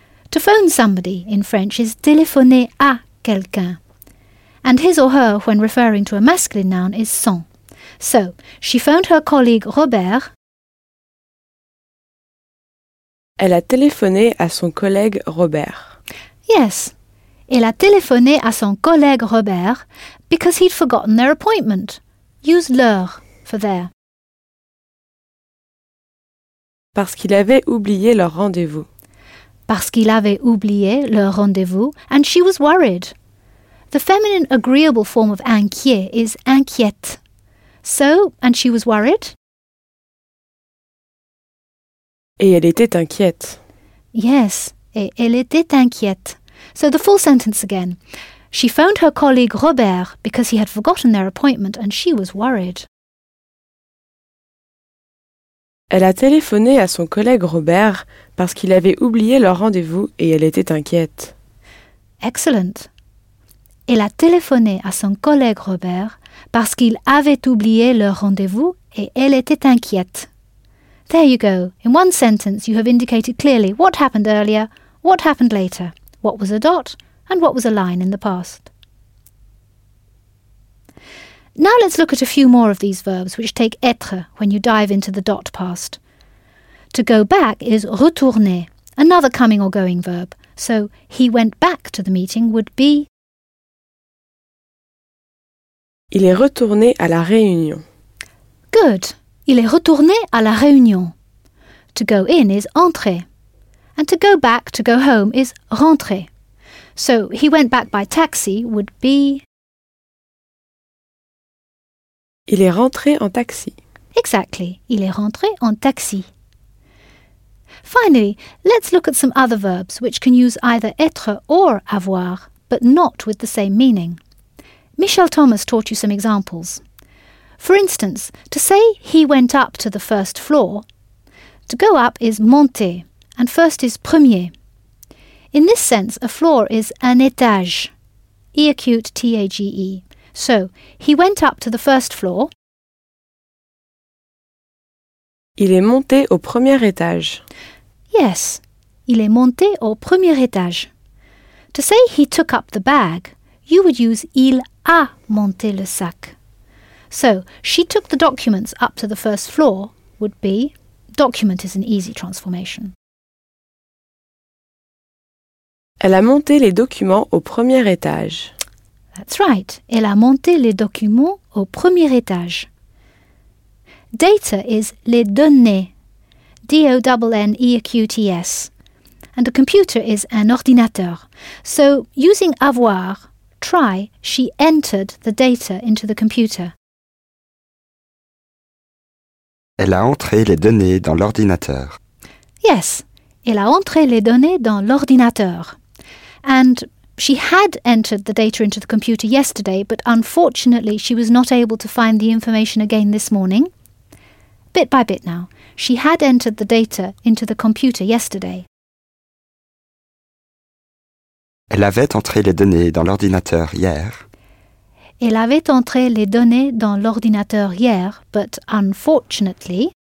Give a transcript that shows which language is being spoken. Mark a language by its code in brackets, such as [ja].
[en] To phone somebody in French is téléphoner à quelqu'un. And his or her, when referring to a masculine noun, is son. So, she phoned her colleague Robert. [fr] Elle a téléphoné à son collègue Robert. Yes. Elle a téléphoné à son collègue Robert [en] because he'd forgotten their appointment. Use leur for there. [fr] Parce qu'il avait oublié leur rendez-vous. Parce qu'il avait oublié leur rendez-vous [en] and she was worried. The feminine agreeable form of inquiet is inquiète. So, and she was worried. [fr] Et elle était inquiète. Yes, et elle était inquiète. [en] So the full sentence again. She phoned her colleague Robert because he had forgotten their appointment and she was worried. [fr] Elle a téléphoné à son collègue Robert parce qu'il avait oublié leur rendez-vous et elle était inquiète. [en] Excellent. [fr] Elle a téléphoné à son collègue Robert parce qu'il avait oublié leur rendez-vous et elle était inquiète. [en] There you go. In one sentence, you have indicated clearly what happened earlier, what happened later, what was a dot, and what was a line in the past. Now let's look at a few more of these verbs which take être when you dive into the dot past. To go back is retourner, another coming or going verb. So he went back to the meeting would be... [fr] Il est retourné à la réunion. [en] Good. [fr] Il est retourné à la réunion. [en] To go in is entrer. And to go back, to go home, is rentrer. So, he went back by taxi would be... [fr] Il est rentré en taxi. Exactly. Il est rentré en taxi. [en] Finally, let's look at some other verbs which can use either être or avoir, but not with the same meaning. Michel Thomas taught you some examples. For instance, to say he went up to the first floor, to go up is monter, and first is premier. In this sense, a floor is un étage, E-acute T-A-G-E. So, he went up to the first floor. [fr] Il est monté au premier étage. Yes, il est monté au premier étage. [en] To say he took up the bag, you would use [fr] il a monté le sac. [en] So, she took the documents up to the first floor would be... Document is an easy transformation. [fr] Elle a monté les documents au premier étage. [en] That's right. [fr] Elle a monté les documents au premier étage. [en] Data is les données. D-O-N-N-E-A-Q-T-S. And a computer is un ordinateur. So, using avoir, try, she entered the data into the computer. [fr] Elle a entré les données dans l'ordinateur. Yes, elle a entré les données dans l'ordinateur. [en] And she had entered the data into the computer yesterday, but unfortunately she was not able to find the information again this morning. Bit by bit now. She had entered the data into the computer yesterday. [fr] Elle avait entré les données dans l'ordinateur hier. Elle avait entré les données dans l'ordinateur hier, [en] but unfortunately...